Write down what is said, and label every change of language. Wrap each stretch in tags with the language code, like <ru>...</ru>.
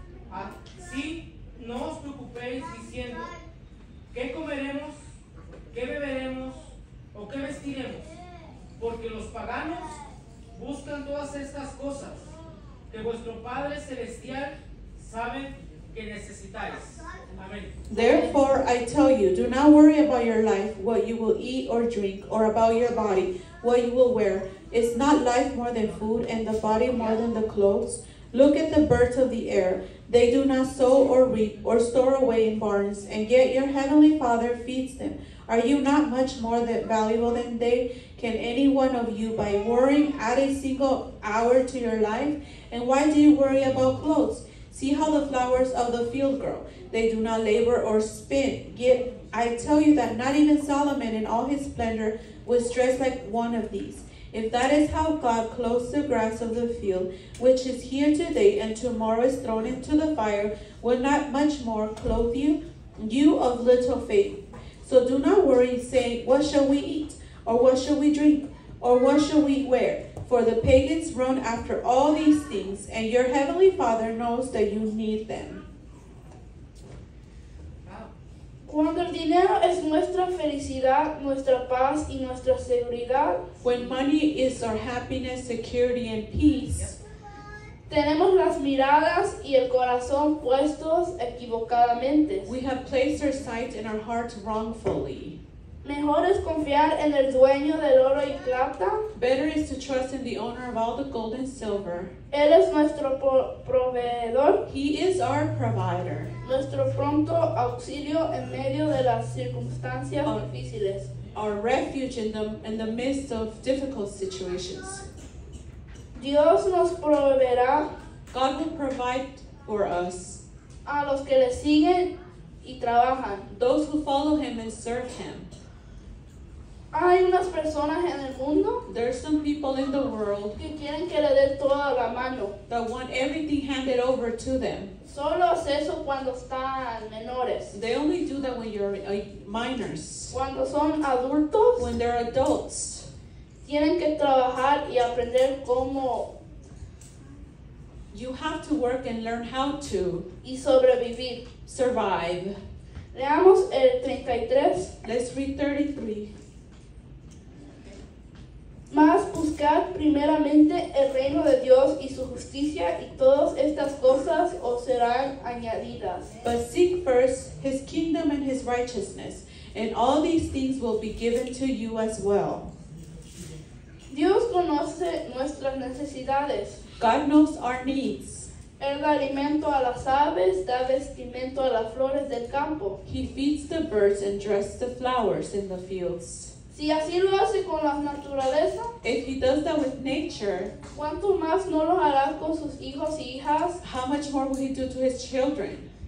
<es>Así no os preocupéis diciendo, ¿qué comeremos, qué beberemos o qué vestiremos? Porque los paganos buscan todas estas cosas, que vuestro Padre Celestial sabe que necesitáis. Amén.</es> <en>Therefore, I tell you, do not worry about your life, what you will eat or drink, or about your body, what you will wear. Is not life more than food, and the body more than the clothes? Look at the birds of the air. They do not sow or reap or store away in barns, and yet your heavenly Father feeds them. Are you not much more valuable than they? Can any one of you, by worrying, add a single hour to your life? And why do you worry about clothes? See how the flowers of the field grow. They do not labor or spin. Yet I tell you that not even Solomon in all his splendor was dressed like one of these. If that is how God clothes the grass of the field, which is here today and tomorrow is thrown into the fire, will not much more clothe you, you of little faith? So do not worry, saying, what shall we eat? Or what shall we drink? Or what shall we wear? For the pagans run after all these things, and your heavenly Father knows that you need them.</en> <es>Cuando el dinero es nuestra felicidad, nuestra paz y nuestra seguridad,</es> <en>when money is our happiness, security, and peace,</en> <es>tenemos las miradas y el corazón puestos equivocadamente.</es> <en>We have placed our sight and our hearts wrongfully.</en> <es>Mejor es confiar en el dueño del oro y plata.</es> <en>Better is to trust in the owner of all the gold and silver.</en> <es>Él es nuestro proveedor.</es> <en>He is our provider.</en> <es>Nuestro pronto auxilio en medio de las circunstancias difíciles.</es> <en>Our refuge in the midst of difficult situations.</en> <es>Dios nos proveerá.</es> <en>God will provide for us.</en> <es>A los que le siguen y trabajan.</es> <en>Those who follow him and serve him.</en> <es>Hay unas personas en el mundo.</es> <en>There's some people in the world.</en> <es>Que quieren que le dé toda la mano.</es> <en>That want everything handed over to them.</en> <es>Solo hace eso cuando están menores.</es> <en>They only do that when you're minors.</en> <es>Cuando son adultos.</es> <en>When they're adults.</en> <es>Tienen que trabajar y aprender cómo.</es> <en>You have to work and learn how to.</en> <es>Y sobrevivir.</es> <en>Survive.</en> <es>Leamos el 33.</es> <en>Let's read 33.</en> <es>Mas buscad primeramente el reino de Dios y su justicia, y todas estas cosas os serán añadidas.</es> <en>But seek first his kingdom and his righteousness, And all these things will be given to you as well.</en> <es>Dios conoce nuestras necesidades.</es> <en>God knows our needs.</en> <es>Él da alimento a las aves, da vestimento a las flores del campo.</es> <en>He feeds the birds and dresses the flowers in the fields.</en> <es>Si así lo hace con la naturaleza,</es> <en>if he does that with nature,</en> <es>¿cuánto más no lo hará con sus hijos y hijas?</es> <en>How much more will he do to his children?</en>